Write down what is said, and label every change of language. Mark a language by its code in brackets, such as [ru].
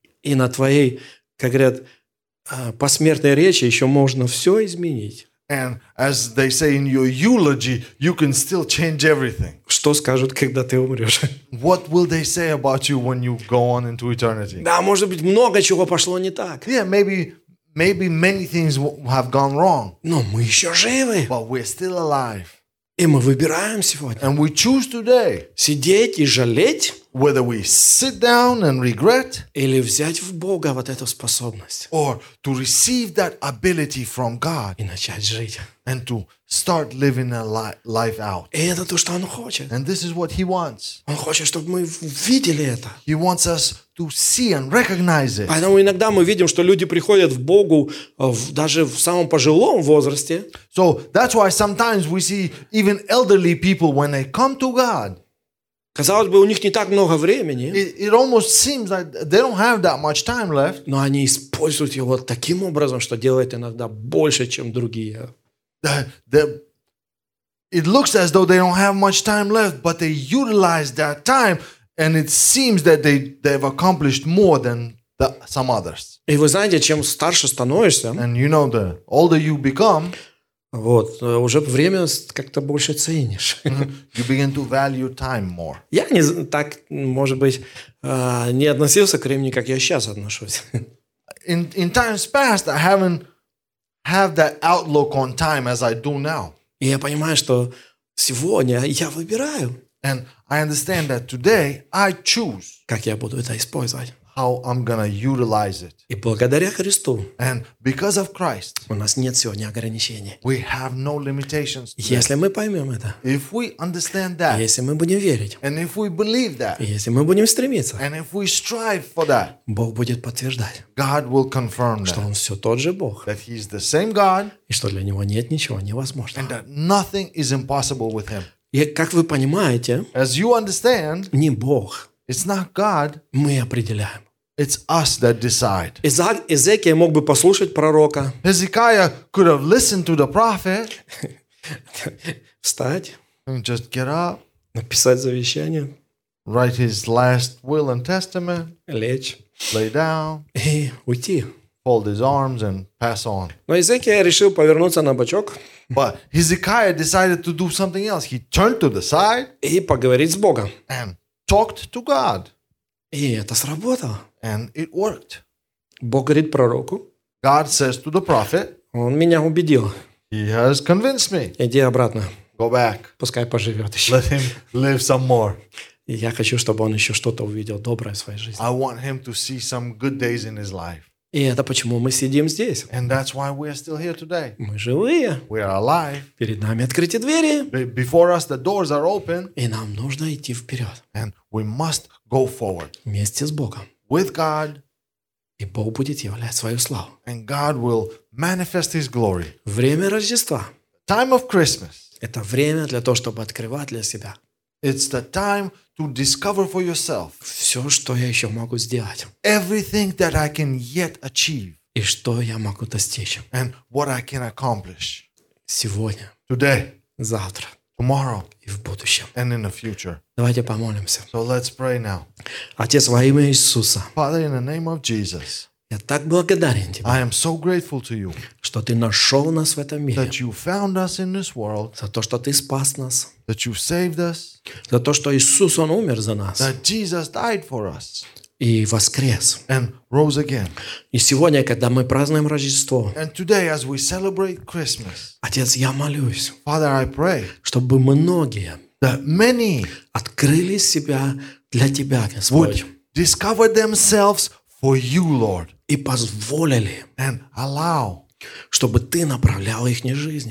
[ru] И на твоей, как говорят, посмертной речи еще можно все изменить. [en] And as they say in your eulogy, you can still change everything. [ru] Что скажут, когда ты умрешь? [en] What will they say about you when you go on into eternity? [ru] Да, может быть, много чего пошло не так. [en] Yeah, maybe many things have gone wrong. [ru] Но мы еще живы. [en] But we're still alive. [ru] И мы выбираем сегодня. [en] And we choose today. [ru] Сидеть и жалеть. [en] Whether we sit down and regret. [ru] Или взять в Бога вот эту способность. [en] Or to receive that ability from God. [ru] И начать жить. [en] And to start living a life out. [ru] И это то, что Он хочет. [en] And this is what He wants. [ru] Он хочет, чтобы мы видели это. [en] He wants us to see and recognize it. [ru] Поэтому иногда мы видим, что люди приходят в Богу даже в самом пожилом возрасте. [en] So that's why sometimes we see even elderly people when they come to God. [ru] Казалось бы, у них не так много времени. [en] It almost seems like they don't have that much time left. [ru] Но они используют его таким образом, что делают иногда больше, чем другие. [en] It looks as though they don't have much time left, but they utilize that time, and it seems that they've accomplished more than some others. [ru] И вы знаете, чем старше становишься, [en] and you know, the older you become, [ru] вот, уже время как-то больше ценишь. Mm-hmm. [en] You begin to value time more. [ru] Я не так, может быть, не относился к времени, как я сейчас отношусь. [en] In times past, I haven't have that outlook on time as I do now. [ru] И я понимаю, что сегодня я выбираю. [en] And I understand that today I choose. [ru] Как я буду это использовать? [en] How I'm gonna utilize it. [ru] И благодаря Христу. [en] And because of Christ. [ru] У нас нет сегодня ограничений. [en] We have no limitations. [ru] Если мы поймем это. [en] If we understand that. [ru] Если мы будем верить. [en] And if we believe that. [ru] Если мы будем стремиться. [en] And if we strive for that. [ru] Бог будет подтверждать. [en] God will confirm [ru] что Он все тот же Бог. [en] That He's the same God. [ru] И что для Него нет ничего невозможного. [en] And that nothing is impossible with Him. [ru] И как вы понимаете. [en] As you understand. [ru] Не Бог. [en] It's not God. [ru] Мы определяем. [en] It's us that decide. [ru] Иезекия мог бы послушать пророка. [en] Hezekiah could have listened to the prophet. [ru] Встать. [en] And just get up. [ru] Написать завещание. [en] Write his last will and testament. [ru] Лечь. [en] Lay down. [ru] И уйти. [en] Fold his arms and pass on. [ru] Но Иезекия решил повернуться на бочок. [en] But Hezekiah decided to do something else. He turned to the side. [ru] И поговорить с Богом. [en] And talked to God. [ru] И это сработало. [en] And it worked. [ru] Бог говорит пророку. [en] God says to the prophet. [ru] Он меня убедил. [en] He has convinced me. [ru] Иди обратно. [en] Go back. [ru] Пускай поживет еще. [en] Let him live some more. [ru] И я хочу, чтобы он еще что-то увидел доброе в своей жизни. [en] I want him to see some good days in his life. [ru] И это почему мы сидим здесь. [en] And that's why we are still here today. [ru] Мы живые. [en] We are alive. [ru] Перед нами открыты двери. [en] Before us the doors are open. [ru] И нам нужно идти вперед. [en] And we must go forward. [ru] Вместе с Богом. [en] With God. [ru] И Бог будет являть свою славу. [en] And God will manifest His glory. [ru] Время Рождества. [en] Time of Christmas. [ru] Это время для того, чтобы открывать для себя. [en] It's the time to discover for yourself [ru] все, что я еще могу сделать. [en] Everything that I can yet achieve. [ru] И что я могу достичь. [en] And what I can accomplish. [ru] Сегодня. [en] Today. [ru] Завтра. [en] Tomorrow. [ru] И в будущем. [en] And in the future. [ru] Давайте помолимся. [en] So let's pray now. [ru] Отец, во имя Иисуса. [en] Father, in the name of Jesus. [ru] Я так благодарен тебе. [en] I am so grateful to you. [ru] Что ты нашел нас в этом мире. [en] That you found us in this world. [ru] За то, что ты спас нас. [en] That you saved us. [ru] За то, что Иисус, Он умер за нас. [en] That Jesus died for us. [ru] И воскрес. [en] And rose again. [ru] И сегодня, когда мы празднуем Рождество. [en] And today, as we celebrate Christmas. [ru] Отец, я молюсь. [en] Father, I pray. [ru] Чтобы многие. [en] That many. [ru] Открыли себя для тебя, Господь. [en] Would discover themselves for you, Lord. [ru] И позволили. [en] And allow. [ru] чтобы ты направлял их жизнь.